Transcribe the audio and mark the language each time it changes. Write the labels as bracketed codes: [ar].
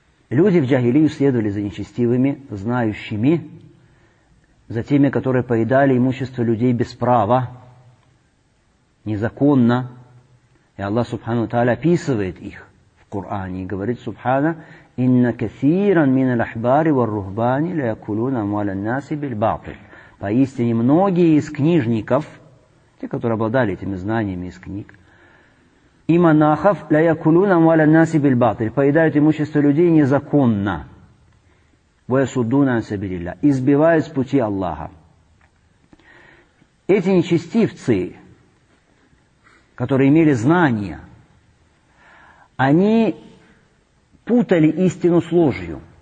[ru] Люди в джахилию следовали за нечестивыми знающими, за теми, которые поедали имущество людей без права, незаконно. И Аллах Субхану Тааля описывает их в Коране и говорит, Субхана, [ar] إن كثيرا من الأحبار والرهبان ليأكلون أموال الناس بالباطل. [ru] Поистине многие из книжников, те, которые обладали этими знаниями из книг, и монахов, [ar] ليأكلون أموال الناس بالباطل, [ru] поедают имущество людей незаконно. [ar] وَيَسُدُّونَ عَنْ سَبِيلِ اللَّهِ, [ru] избивают с пути Аллаха. Эти нечестивцы, которые имели знания, они путали истину с ложью.